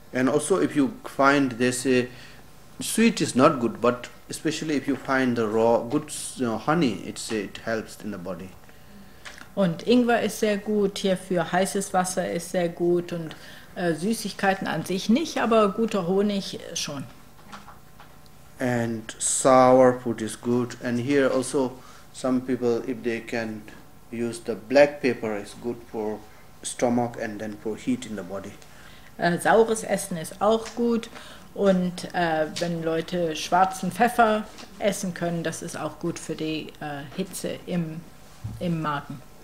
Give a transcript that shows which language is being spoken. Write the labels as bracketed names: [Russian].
[English] And also if you find they say sweet is not good, but especially if you find the raw good honey, it helps in the body. [German] Und Ingwer ist sehr gut, hierfür heißes Wasser ist sehr gut und Süßigkeiten an sich nicht, aber guter Honig schon. [English] And sour food is good. And here also some people if they can use the black pepper is good for stomach and then for heat in the body. [German] Saures Essen ist auch gut und wenn Leute schwarzen Pfeffer essen können, das ist auch gut für die Hitze im Magen.